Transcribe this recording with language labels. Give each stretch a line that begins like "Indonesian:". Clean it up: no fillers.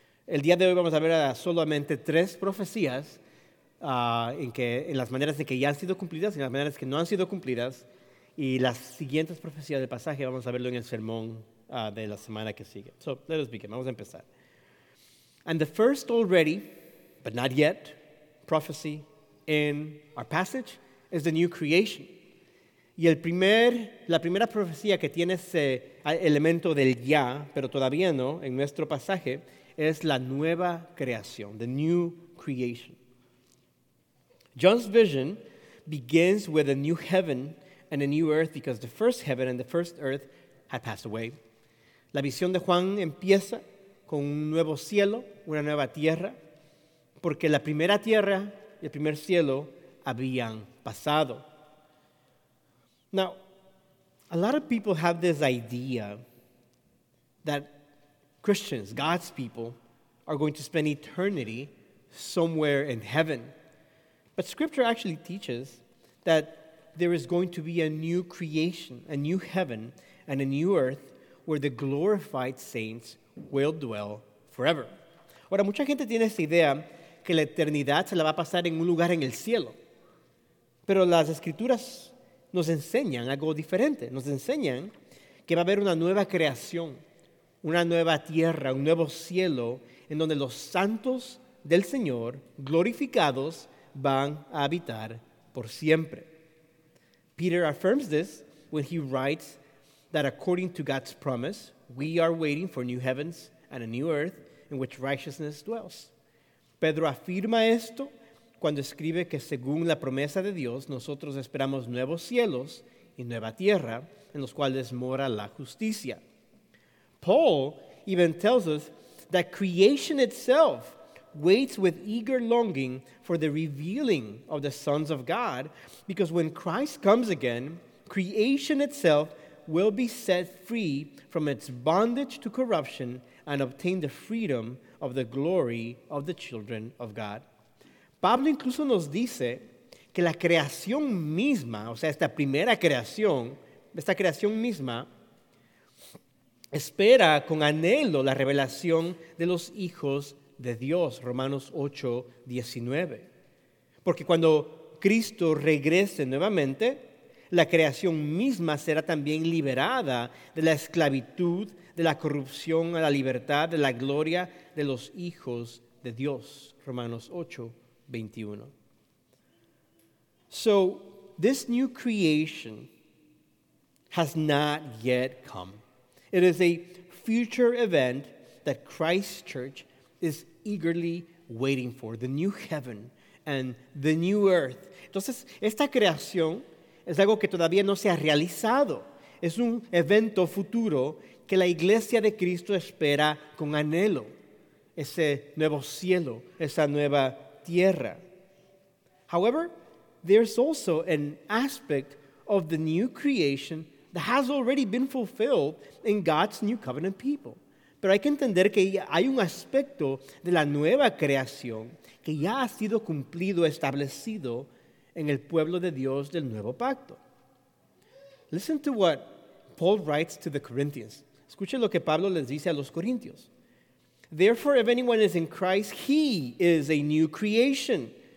Spanish: El día de hoy vamos a ver solamente tres profecías, en las maneras en que ya han sido cumplidas y las maneras que no han sido cumplidas, y las siguientes profecías del pasaje vamos a verlo en el sermón de la semana que sigue.
English: So, let us begin.
Spanish: Vamos a empezar.
English: And the first already, but not yet, prophecy in our passage is the new creation.
Spanish: Y la primera profecía que tiene ese elemento del ya, pero todavía no, en nuestro pasaje, es la nueva creación,
English: the new creation. John's vision begins with a new heaven and a new earth because the first heaven and the first earth had passed away.
Spanish: La visión de Juan empieza con un nuevo cielo, una nueva tierra, porque la primera tierra y el primer cielo habían pasado.
English: Now, a lot of people have this idea that Christians, God's people, are going to spend eternity somewhere in heaven. But Scripture actually teaches that there is going to be a new creation, a new heaven, and a new earth where the glorified saints will dwell forever.
Spanish: Ahora, mucha gente tiene esa idea que la eternidad se la va a pasar en un lugar en el cielo. Pero las Escrituras nos enseñan algo diferente. Nos enseñan que va a haber una nueva creación, una nueva tierra, un nuevo cielo en donde los santos del Señor glorificados van a habitar por siempre.
English: Peter affirms this when he writes that according to God's promise, we are waiting for new heavens and a new earth in which righteousness dwells.
Spanish: Pedro afirma esto cuando escribe que según la promesa de Dios, nosotros esperamos nuevos cielos y nueva tierra en los cuales mora la justicia.
English: Paul even tells us that creation itself waits with eager longing for the revealing of the sons of God, because when Christ comes again, creation itself will be set free from its bondage to corruption and obtain the freedom of the glory of the children of God.
Spanish: Pablo incluso nos dice que la creación misma, o sea, esta primera creación, esta creación misma, espera con anhelo la revelación de los hijos de Dios, Romanos 8, 19. Porque cuando Cristo regrese nuevamente, la creación misma será también liberada de la esclavitud, de la corrupción, a la libertad, de la gloria de los hijos de Dios, Romanos 8, 21.
English: So, this new creation has not yet come. It is a future event that Christ's church is eagerly waiting for, the new heaven and the new earth.
Spanish: Entonces, esta creación es algo que todavía no se ha realizado. Es un evento futuro que la iglesia de Cristo espera con anhelo. Ese nuevo cielo, esa nueva tierra.
English: However, there's also an aspect of the new creation that has already been fulfilled in God's new covenant people.
Spanish: Pero hay que entender que hay un aspecto de la nueva creación que ya ha sido cumplido, establecido en el pueblo de Dios del nuevo pacto.
English: Listen to what Paul writes to the Corinthians.
Spanish: Escuchen lo que Pablo les dice a los Corintios.
English: Therefore, if anyone is in Christ, he is a new creation.